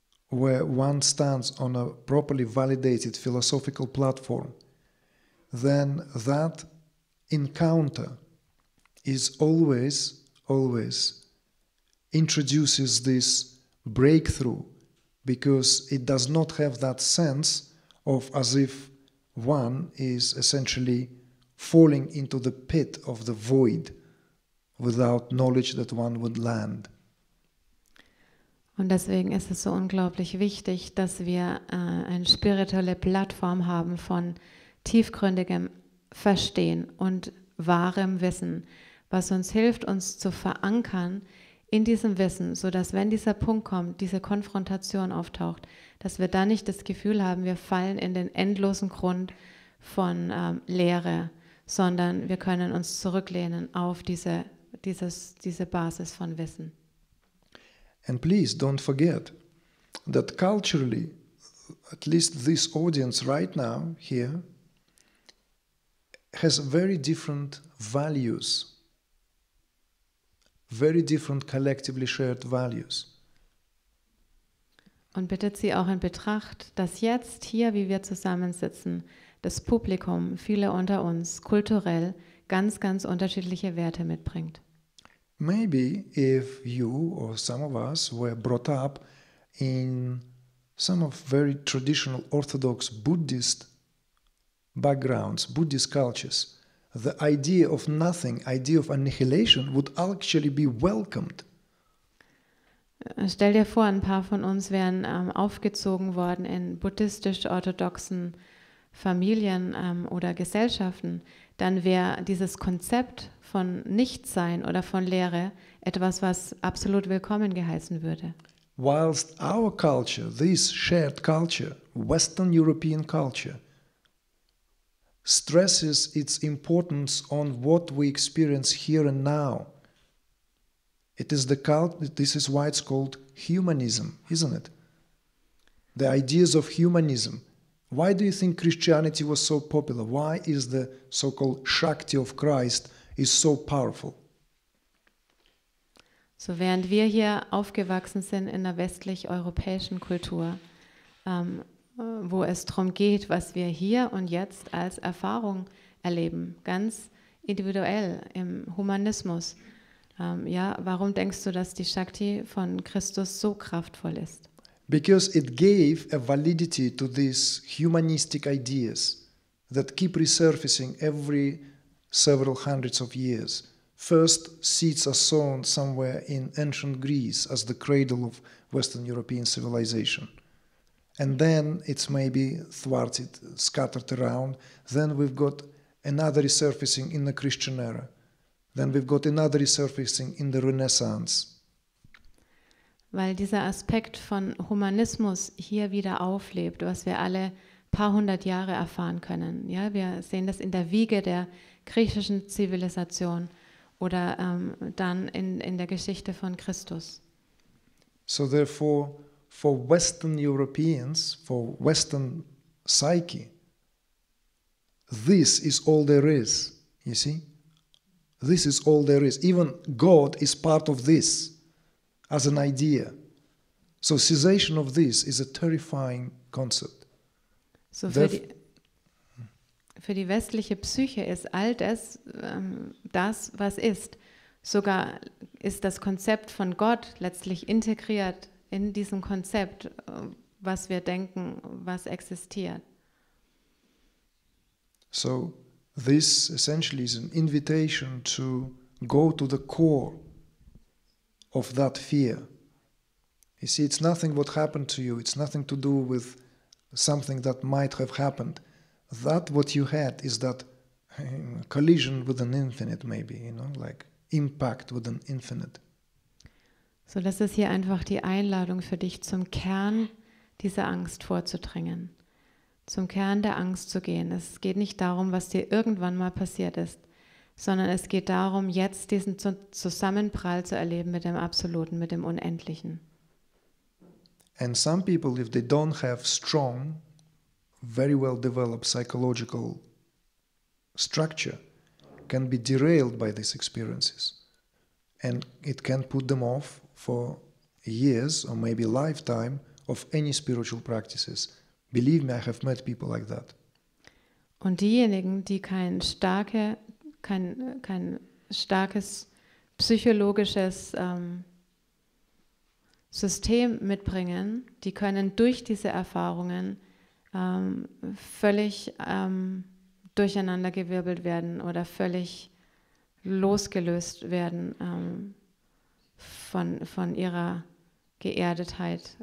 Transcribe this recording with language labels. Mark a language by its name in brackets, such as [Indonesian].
[English] where one stands on a properly validated philosophical platform, then that encounter is always, always introduces this breakthrough because it does not have that sense of as if one is essentially falling into the pit of the void without knowledge that one would land. [German] Und deswegen ist es so unglaublich wichtig, dass wir eine spirituelle Plattform haben von tiefgründigem Verstehen und wahrem Wissen, was uns hilft, uns zu verankern in diesem Wissen, sodass, wenn dieser Punkt kommt, diese Konfrontation auftaucht, dass wir dann nicht das Gefühl haben, wir fallen in den endlosen Grund von Leere, sondern wir können uns zurücklehnen auf diese Basis von Wissen. [English] And please don't forget that culturally, at least this audience right now here, has very different values, very different collectively shared values. [German] Und bittet sie auch in Betracht, dass jetzt hier, wie wir zusammensitzen, das Publikum, viele unter uns, kulturell ganz, ganz unterschiedliche Werte mitbringt. [English] Maybe if you or some of us were brought up in some of very traditional orthodox Buddhist backgrounds, Buddhist cultures, the idea of nothing, idea of annihilation would actually be welcomed. [German] Stell dir vor, ein paar von uns wären aufgezogen worden in buddhistisch-orthodoxen Familien oder Gesellschaften, dann wäre dieses Konzept von Nichtsein oder von Leere etwas, was absolut willkommen geheißen würde. [English] Whilst our culture, this shared culture, Western European culture, stresses its importance on what we experience here and now, it is the cult. This is why it's called humanism, isn't it? The ideas of humanism. Why do you think Christianity was so popular? Why is the so-called Shakti of Christ is so powerful? [German] So, während wir hier aufgewachsen sind in der westlich-europäischen Kultur, wo es darum geht, was wir hier und jetzt als Erfahrung erleben, ganz individuell im Humanismus. Ja, warum denkst du, dass die Shakti von Christus so kraftvoll ist? [English] Because it gave a validity to these humanistic ideas that keep resurfacing every several hundreds of years. First seeds are sown somewhere in ancient Greece as the cradle of Western European civilization. And then it's maybe thwarted, scattered around. Then we've got another resurfacing in the Christian era. Then we've got another resurfacing in the Renaissance. [German] Weil dieser Aspekt von Humanismus hier wieder auflebt, was wir alle paar hundert Jahre erfahren können. Ja, wir sehen das in der Wiege der griechischen Zivilisation oder dann in der Geschichte von Christus. [English] So therefore, for Western Europeans, for Western psyche, this is all there is, you see? This is all there is. Even God is part of this as an idea. So cessation of this is a terrifying concept. [German] So für die westliche Psyche ist all das, das, was ist. Sogar ist das Konzept von Gott letztlich integriert in diesem Konzept, was wir denken, was existiert. [English] So this essentially is an invitation to go to the core of that fear. You see, it's nothing what happened to you. It's nothing to do with something that might have happened. That what you had is that collision with an infinite, maybe, you know, like impact with an infinite. [German] So, das ist hier einfach die Einladung für dich, zum Kern dieser Angst vorzudringen. Zum Kern der Angst zu gehen. Es geht nicht darum, was dir irgendwann mal passiert ist, sondern es geht darum, jetzt diesen Zusammenprall zu erleben mit dem Absoluten, mit dem Unendlichen. [English] And some people, if they don't have strong, very well developed psychological structure, can be derailed by these experiences. And it can put them off for years or maybe lifetime of any spiritual practices. Believe me, I have met people like that. [German] Und diejenigen, die kein starkes psychologisches System mitbringen, die können durch diese Erfahrungen völlig durcheinander gewirbelt werden oder völlig losgelöst werden von ihrer Geerdetheit.